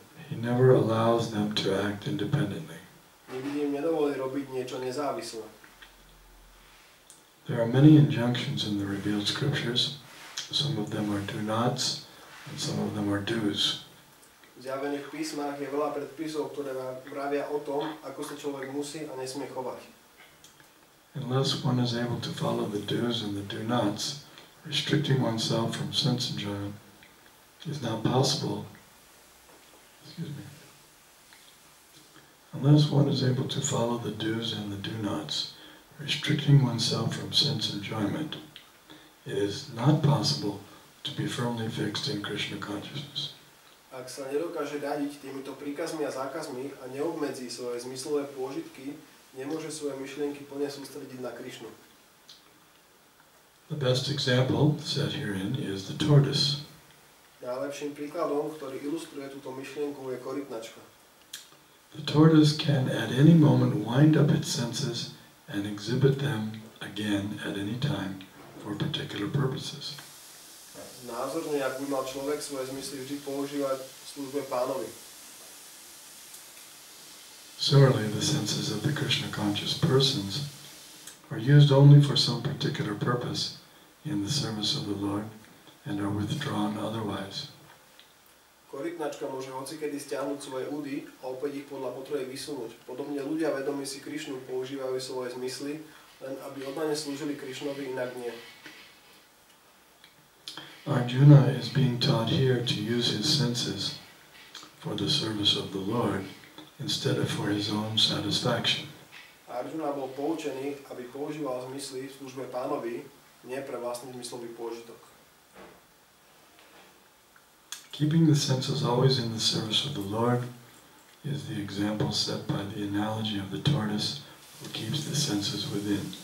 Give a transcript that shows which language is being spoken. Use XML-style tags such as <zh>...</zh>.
<en>He never allows them to act independently. There are many injunctions in the revealed scriptures. Some of them are do-nots, and some of them are do's.</en> <sk>V zjavených písmach je veľa predpisov, ktoré vravia o tom, ako sa človek musí a nesmie chovať.</sk> <en>Unless one is able to follow the do's and the do-nots, restricting oneself from sense enjoyment is not possible. Unless one is able to follow the do's and the do-nots, restricting oneself from sense enjoyment, it is not possible to be firmly fixed in Krishna consciousness.</en> <sk>Ak sa nedokáže riadiť týmito príkazmi a zákazmi a neobmedzí svoje zmyslové pôžitky, nemôže svoje myšlienky plne sústrediť na Krishnu.</sk> <en>The best example set herein is the tortoise.</en> <sk>Najlepším príkladom, ktorý ilustruje túto myšlienku, je korytnačka.</sk> <en>The tortoise can at any moment wind up its senses and exhibit them again at any time for particular purposes.</en> <sk>Názorne, ak by mal človek svoje zmysly vždy používať v službe pánovi.</sk> <en>Similarly, the senses of the Krishna conscious persons are used only for some particular purpose in the service of the Lord and are withdrawn otherwise.</en> <sk>Korytnačka môže hocikedy stiahnuť svoje údy a opäť ich podľa potreby vysunúť. Podobne ľudia vedomí si Krišnu používajú svoje zmysly, len aby oddane slúžili Krišnovi, inak nie.</sk> <en>Arjuna is being taught here to use his senses for the service of the Lord instead of for his own satisfaction.</en> <sk>Arjuna bol poučený, aby používal zmysly v službe pánovi, nie pre vlastný zmyslový pôžitok.</sk> <en>Keeping the senses always in the service of the Lord is the example set by the analogy of the tortoise who keeps the senses within.</en>